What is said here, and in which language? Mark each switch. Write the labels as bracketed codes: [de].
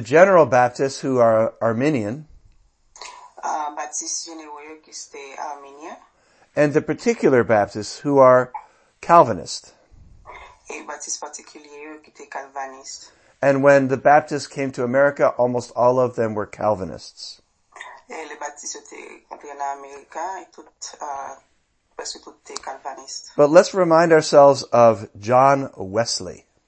[en] General Baptists, who are Arminian. [fr] Baptiste généreux qui était arminien. [en] And the particular Baptists, who are Calvinist. [fr] Et Baptiste particulier qui était calviniste. [en] And when the Baptists came to America, almost all of them were Calvinists. [fr] Et les Baptistes étaient en Amérique et presque tous étaient calvinistes. [en] But let's remind ourselves of John Wesley.